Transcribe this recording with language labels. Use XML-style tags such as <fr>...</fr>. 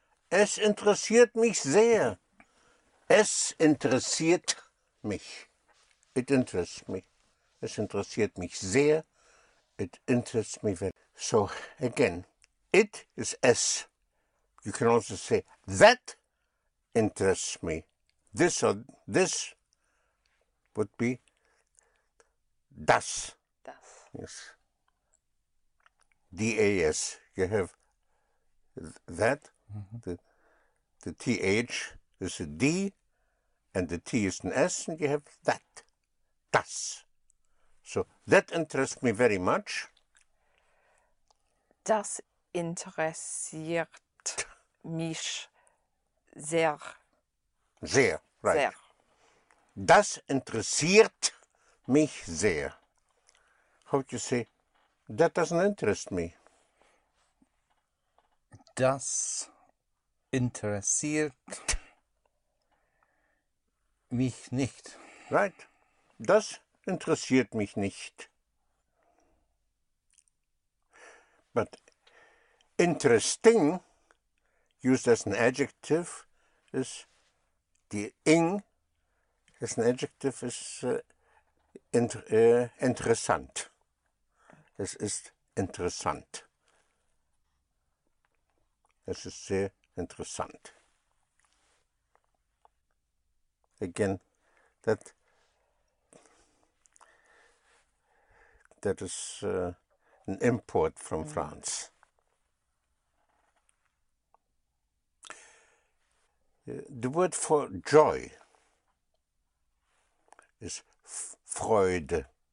<de>Es interessiert mich sehr. Es interessiert mich.</de> <en>It interests me.</en> <de>Es interessiert mich sehr.</de> <en>It interests me very. So again, it is es. You can also say that interests me. This or this would be das.</en> <de>Das.</de> <en>Yes. D-A-S. You have that. Mm-hmm. The th is a D, and the T is an S, and you have that, das. So that interests me very much.</en> <de>Das interessiert mich sehr. Sehr, right. Sehr. Das interessiert mich sehr.</de> <en>How would you say, that doesn't interest me?</en> <de>Das interessiert mich nicht.</de> <en>Right.</en> <de>Das interessiert mich nicht.</de> <en>But interesting, used as an adjective, is die ing, as an adjective, is interessant.</en> <de>Es ist interessant. Es ist sehr interessant.</de> <en>Again, that is an import from France. The word for joy is Freude.</en>